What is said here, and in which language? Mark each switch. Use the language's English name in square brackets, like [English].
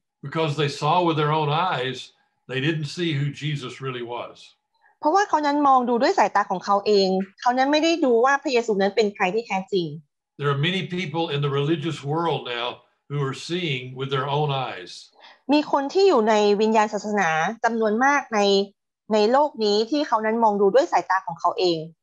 [English] Because they saw with their own eyes, they didn't see who Jesus really was. [Thai] เพราะว่าเขานั้นมองดูด้วยสายตาของเขาเองเขานั้นไม่ได้ดูว่าพระเยซูนั้นเป็นใครที่แท้จริง [English] There are many people in the religious world now who are seeing with their own eyes [Thai] มีคนที่อยู่ในวิญญาณศาสนาจำนวนมากในโลกนี้ที่เขานั้นมองดูด้วยสายตาของเขาเอง